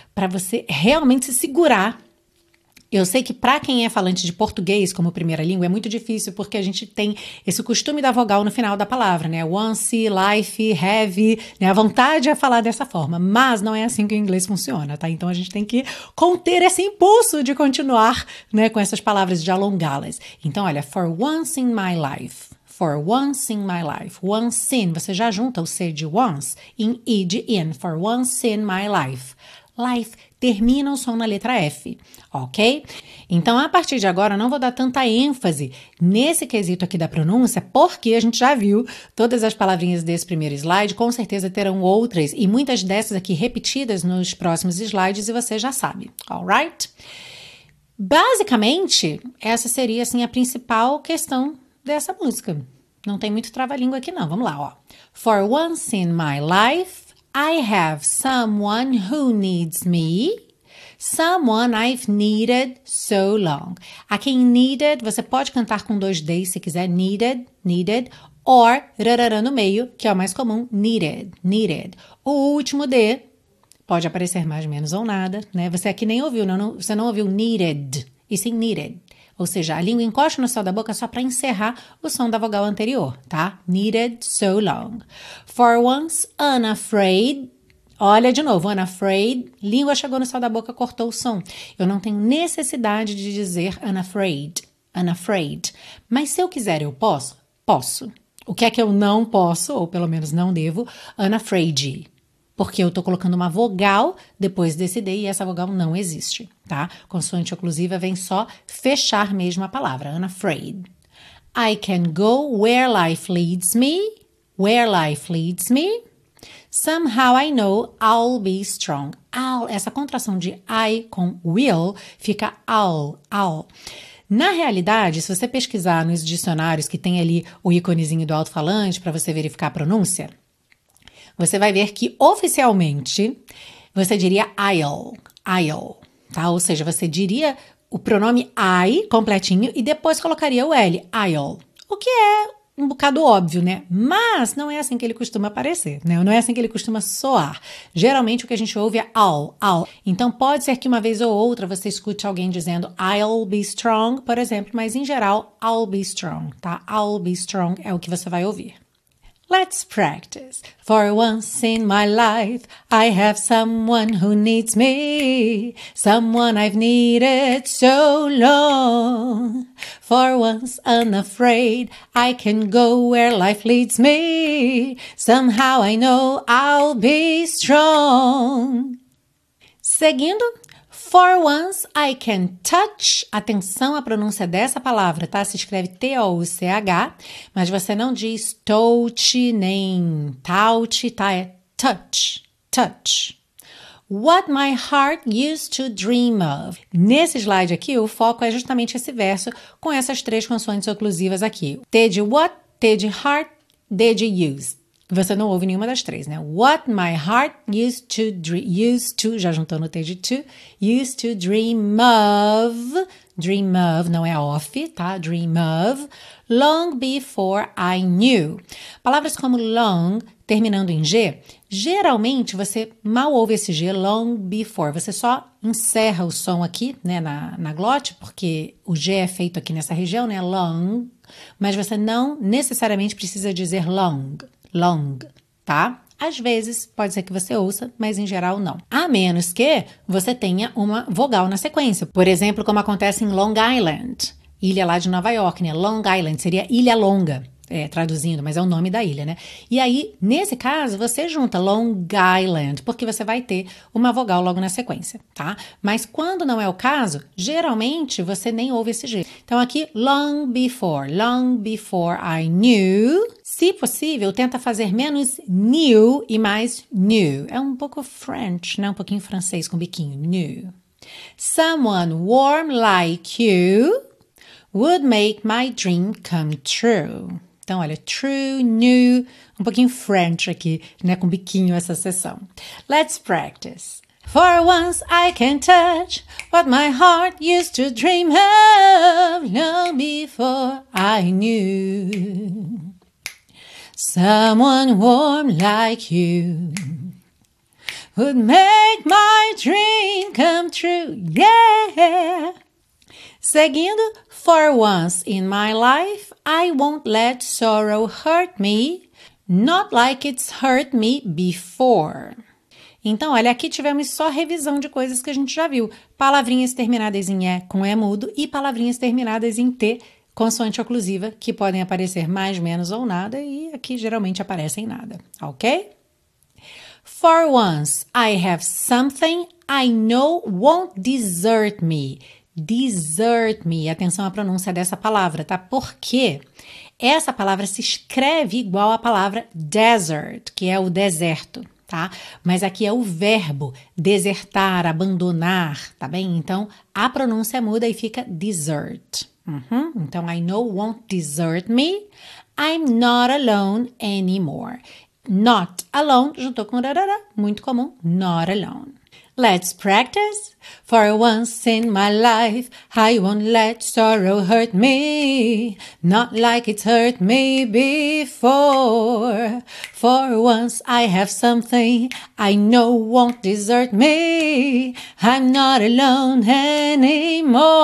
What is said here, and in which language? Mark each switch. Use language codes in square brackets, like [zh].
[pt] Para você realmente se segurar. Eu sei que para quem é falante de português como primeira língua é muito difícil, porque a gente tem esse costume da vogal no final da palavra, né? [en] Once, life, have, [pt] né? A vontade é falar dessa forma, mas não é assim que o inglês funciona, tá? Então a gente tem que conter esse impulso de continuar, né, com essas palavras, de alongá-las. Então, olha, [en] for once in my life. For once in my life, once in, [pt] você já junta o C de once em E de in, [en] for once in my life. [pt] Life termina o som na letra F, ok? Então, a partir de agora, eu não vou dar tanta ênfase nesse quesito aqui da pronúncia, porque a gente já viu todas as palavrinhas desse primeiro slide, com certeza terão outras e muitas dessas aqui repetidas nos próximos slides e você já sabe, [en] alright? [pt] Basicamente, essa seria assim a principal questão dessa música. Não tem muito trava-língua aqui não. Vamos lá, ó. [en] For once in my life, I have someone who needs me. Someone I've needed so long. [pt] Aqui em needed, você pode cantar com dois D's se quiser. Needed, needed. Or, rarara no meio, que é o mais comum. Needed, needed. O último D pode aparecer mais ou menos ou nada, né? Você aqui nem ouviu, não, você não ouviu needed. E sim needed. Ou seja, a língua encosta no céu da boca só para encerrar o som da vogal anterior, tá? [en] Needed so long. For once, unafraid. [pt] Olha de novo, unafraid. Língua chegou no céu da boca, cortou o som. Eu não tenho necessidade de dizer unafraid. Unafraid. Mas se eu quiser, eu posso? Posso. O que é que eu não posso, ou pelo menos não devo? Unafraid. Porque eu tô colocando uma vogal depois desse D e essa vogal não existe, tá? Consoante oclusiva vem só fechar mesmo a palavra, unafraid. [en] I can go where life leads me, where life leads me. Somehow I know I'll be strong. [pt] I'll, essa contração de I com will fica I'll. Na realidade, se você pesquisar nos dicionários que tem ali o íconezinho do alto-falante para você verificar a pronúncia, você vai ver que, oficialmente, você diria I'll, tá? Ou seja, você diria o pronome I completinho e depois colocaria o L, I'll. O que é um bocado óbvio, né? Mas não é assim que ele costuma aparecer, né? Não é assim que ele costuma soar. Geralmente, o que a gente ouve é I'll. Então, pode ser que uma vez ou outra você escute alguém dizendo [en] I'll be strong, [pt] por exemplo, mas, em geral, [en] I'll be strong, [pt] tá? [en] I'll be strong [pt] é o que você vai ouvir. [en] Let's practice. For once in my life, I have someone who needs me. Someone I've needed so long. For once unafraid, I can go where life leads me. Somehow I know I'll be strong. [pt] Seguindo. [en] For once I can touch, [pt] atenção à pronúncia dessa palavra, tá? Se escreve T-O-U-C-H, mas você não diz touch nem touch, tá? [en] É touch, touch. What my heart used to dream of. [pt] Nesse slide aqui, o foco é justamente esse verso com essas três consoantes oclusivas aqui. T de what, T de heart, D de use. Você não ouve nenhuma das três, né? [en] What my heart used to, [pt] já juntou no T de [en] to, used to dream of, [pt] não é off, tá? [en] Dream of, long before I knew. [pt] Palavras como long, terminando em G, geralmente você mal ouve esse G, long before, você só encerra o som aqui, né, na glote, porque o G é feito aqui nessa região, né, long, mas você não necessariamente precisa dizer long. Long, tá? Às vezes, pode ser que você ouça, mas em geral não. A menos que você tenha uma vogal na sequência. Por exemplo, como acontece em Long Island, ilha lá de Nova York, né? Long Island seria ilha longa, traduzindo, mas é o nome da ilha, né? E aí, nesse caso, você junta Long Island, porque você vai ter uma vogal logo na sequência, tá? Mas quando não é o caso, geralmente você nem ouve esse G. Então aqui, long before I knew. Se possível, tenta fazer menos new e mais new. É um pouco French, né? Um pouquinho francês com biquinho, new. [en] Someone warm like you would make my dream come true. [pt] Então, olha, true, new, um pouquinho French aqui, né, com biquinho essa sessão. [en] Let's practice. For once I can touch what my heart used to dream of long before I knew. Someone warm like you would make my dream come true, yeah. [pt] Seguindo, [en] for once in my life, I won't let sorrow hurt me, not like it's hurt me before. [pt] Então, olha, aqui tivemos só revisão de coisas que a gente já viu. Palavrinhas terminadas em E com E mudo e palavrinhas terminadas em T, consoante oclusiva, que podem aparecer mais, menos ou nada, e aqui geralmente aparecem nada, ok? [en] For once, I have something I know won't desert me. [pt] Desert me, atenção à pronúncia dessa palavra, tá? Porque essa palavra se escreve igual à palavra desert, que é o deserto, tá? Mas aqui é o verbo desertar, abandonar, tá bem? Então, a pronúncia muda e fica desert. Uhum. Então, [en] I know won't desert me. I'm not alone anymore. [pt] Not alone, juntou com rarara, muito comum, [en] not alone. Let's practice. For once in my life, I won't let sorrow hurt me, not like it's hurt me before. For once I have something I know won't desert me, I'm not alone anymore.